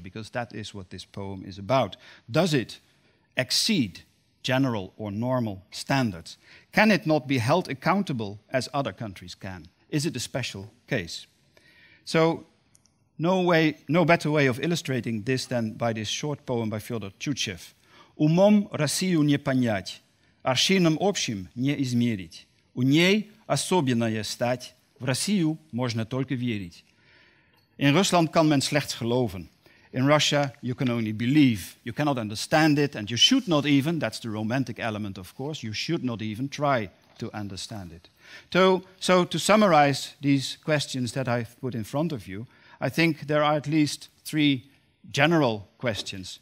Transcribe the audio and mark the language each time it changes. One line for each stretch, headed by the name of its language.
English: Because that is what this poem is about. Does it exceed general or normal standards? Can it not be held accountable as other countries can? Is it a special case? So, no better way of illustrating this than by this short poem by Fyodor Tchutchev.
Russian: Умом Россию не понять, аршином общим не измерить. У ней особенная стать, в Россию можно только верить.
Dutch: In Rusland kan men slechts geloven.
English: In Russia, you can only believe. You cannot understand it, and you should not even, that's the romantic element, of course, you should not even try to understand it. So to summarize these questions that I've put in front of you, I think there are at least three general questions.